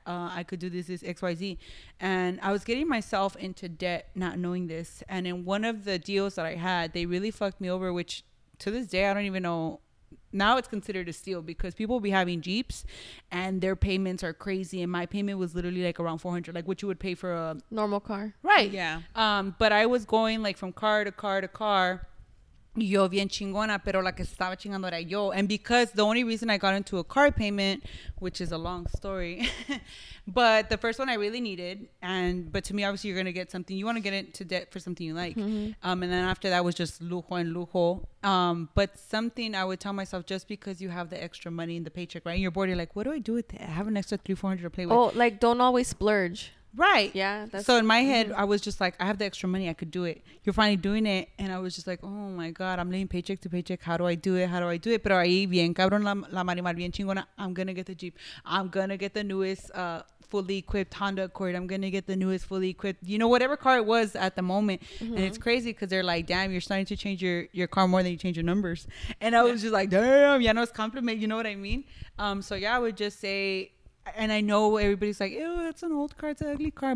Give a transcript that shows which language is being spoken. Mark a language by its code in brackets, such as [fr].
[en] I could do this, this X, Y, Z. And I was getting myself into debt, not knowing this. And in one of the deals that I had, they really fucked me over, which to this day, I don't even know. Now it's considered a steal because people will be having Jeeps and their payments are crazy. And my payment was literally like around 400, like what you would pay for a normal car. Right. Yeah. But I was going like from car to car to car. [es] Yo bien chingona, pero la que estaba chingando era yo. [en] And because the only reason I got into a car payment, which is a long story, but the first one I really needed. And but to me, obviously, you're going to get something. You want to get into debt for something you like. Mm-hmm. And then after that was just lujo and lujo. But something I would tell myself, just because you have the extra money in the paycheck, right? And you're bored. You're like, what do I do with it? I have an extra $300, $400 to play with. Oh, like, don't always splurge. Right. Yeah. That's, so in my head, I was just like, I have the extra money. I could do it. You're finally doing it. And I was just like, oh my God, I'm living paycheck to paycheck. How do I do it? How do I do it? [es] Pero ahí bien cabrón la marimar bien chingona. [en] I'm going to get the Jeep. I'm going to get the newest fully equipped Honda Accord. I'm going to get the newest fully equipped, you know, whatever car it was at the moment. Mm-hmm. And it's crazy because they're like, damn, you're starting to change your car more than you change your numbers. And I was just like, damn, [es] ya no es [en] compliment. You know what I mean? So yeah, I would just say, and I know everybody's like, ew, it's an old car, it's an ugly car.